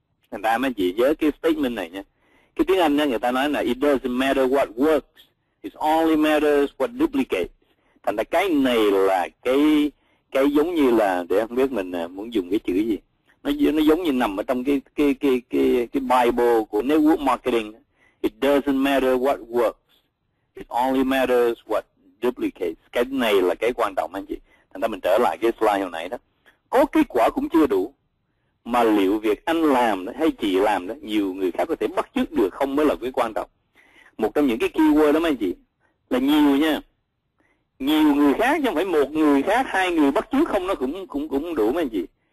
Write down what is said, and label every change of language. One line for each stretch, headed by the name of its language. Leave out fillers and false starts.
Vietnamese: Thành ra mấy anh chị nhớ cái statement này nha. Cái tiếng Anh nha, người ta nói là
English: it doesn't matter what works, it only matters what duplicates.
Vietnamese: Thành ra cái này là cái giống như là, để không biết mình muốn dùng cái chữ gì, nó giống như nằm ở trong cái Bible của network marketing.
English: It doesn't matter what works, it only matters what duplicates.
Vietnamese: Cái này là cái quan trọng anh chị. Thành ra mình trở lại cái slide hồi nãy đó, có kết quả cũng chưa đủ, mà liệu việc anh làm đó, hay chị làm đó, nhiều người khác có thể bắt chước được không mới là cái quan trọng. Một trong những cái keyword đó anh chị là nhiều nha, nhiều người khác chứ không phải một người khác, hai người bắt chước không nó cũng đủ anh chị.